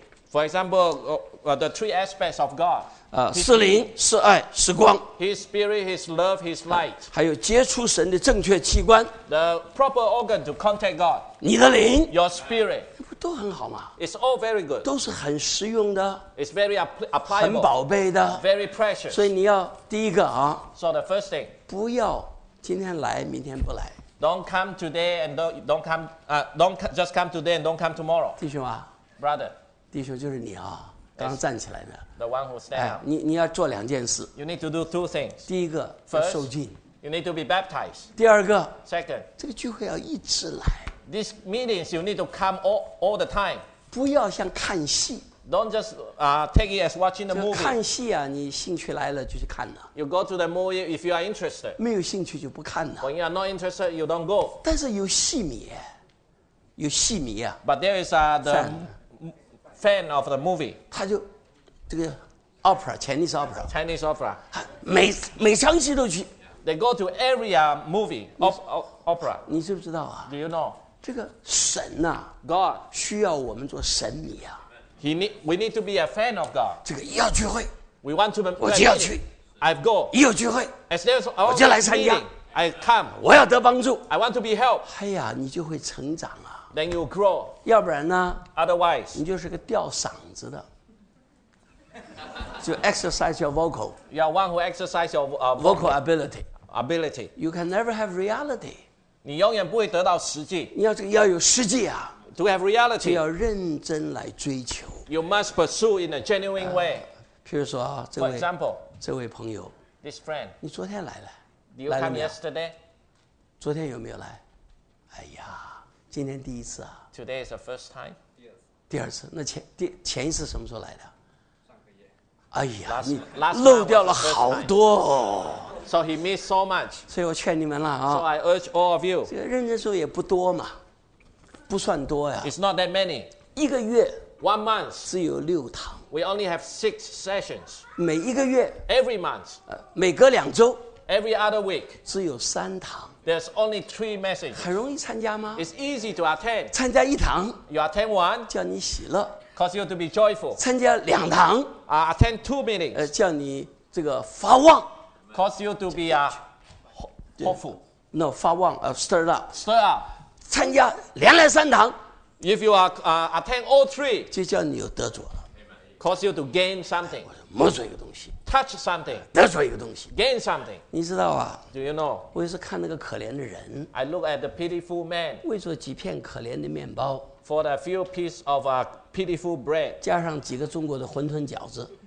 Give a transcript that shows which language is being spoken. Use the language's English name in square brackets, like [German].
[English] For example, the three aspects of God. [Chinese] 是灵是爱是光 [English] His spirit, his love, his light [Chinese] 还有接触神的正确器官 [English] The proper organ to contact God [Chinese] 你的灵 [English] Your spirit [Chinese] 不都很好吗 [English] It's all very good [Chinese] 都是很实用的 [English] It's very applicable [Chinese] 很宝贝的 [English] Very precious [Chinese] 所以你要第一个啊 [English] So the first thing [Chinese] 不要今天来明天不来 [English] Don't come today and don't come, don't just come today and don't come tomorrow. [Chinese] 弟兄啊 [English] brother, [Chinese] 弟兄就是你啊，刚站起来的。 [English] The one who stands. [Chinese] 你要做两件事。 [English] You need to do two things. [Chinese] 第一个， [English] First, [Chinese] 要受浸。 [English] You need to be baptized. [Chinese] 第二个 [English] ，Second, [Chinese] 这个聚会要一直来。 [English] These meetings you need to come all the time. [Chinese] 不要像看戏。 [English] Don't just take it as watching the movie. [Chinese] 看戏啊，你兴趣来了就去看了。 [English] You go to the movie if you are interested. [Chinese] 没有兴趣就不看了。 [English] When you are not interested, you don't go. [Chinese] 但是有戏迷，有戏迷啊。 [English] But there is the fan of the movie. [Chinese] 他就这个 opera Chinese opera. [English] Chinese opera. [Chinese] 每场戏都去。 [English] They go to every movie of opera. [Chinese] 你知不知道啊 [English] ？Do you know? [Chinese] 这个神啊 [English] ，God [Chinese] 需要我们做神迷啊。 [English] We need to be a fan of God. [Chinese] 这个一要聚会 [English] ，We want to. [Chinese] 我就要去 [English] ，I go. [Chinese] 一有聚会 [English] ，As there's [Chinese] all 我就来参加 [English] ，I come. [Chinese] 我要得帮助 [English] ，I want to be helped. [Chinese] 哎呀，你就会成长啊 [English] ，Then you grow. [Chinese] 要不然呢 [English] ？Otherwise， [Chinese] 你就是个吊嗓子的，就 [English] exercise your vocal. You are one who exercise your vocal ability. Ability. You can never have reality. [Chinese] 你永远不会得到实际。你要这个要有实际啊。 [English] To have reality, [Chinese] 就要认真来追求。 [English] You must pursue in a genuine way. [Chinese] 譬如说啊，这位 [English] For example, [Chinese] 这位朋友 [English] ，this friend， [Chinese] 你昨天来了 [English] ，Do you come yesterday？ [Chinese] 昨天有没有来？哎呀，今天第一次啊。 [English] Today is the first time. [Chinese] 第二次，那前一次什么时候来的？上个月。哎呀，你漏掉了好多哦。 [English] So he missed so much. [Chinese] 所以我劝你们了啊。 [English] So I urge all of you. [Chinese] 这个认真时候也不多嘛。不算多呀 [English] It's not that many [Chinese] 一个月 [English] One month [Chinese] 只有六堂 [English] We only have six sessions [Chinese] 每一个月 [English] Every month [Chinese] 每隔两周 [English] Every other week [Chinese] 只有三堂 [English] There's only three messages [Chinese] 很容易参加吗 [English] It's easy to attend [Chinese] 参加一堂 [English] You attend one [Chinese] 叫你喜乐 [English] Cause you to be joyful [Chinese] 参加两堂 [English] Attend two meetings [Chinese] 叫你这个发旺 [English] Cause you to be hopeful No 发旺 stirred up Stirred up [Chinese] 参加连来三堂 [English] ，If you are attend all three， [Chinese] 就叫你有得着了 [English] ，cause you to gain something， [Chinese] 摸准一个东西 [English] ，touch something， [Chinese] 得着一个东西 [English] ，gain something， [Chinese] 你知道啊 [English] ？Do you know？ [Chinese] 我也是看那个可怜的人 [English] ，I look at the pitiful man， [Chinese] 为着几片可怜的面包 [English] ，for the few piece of a pitiful bread， [Chinese] 加上几个中国的馄饨饺子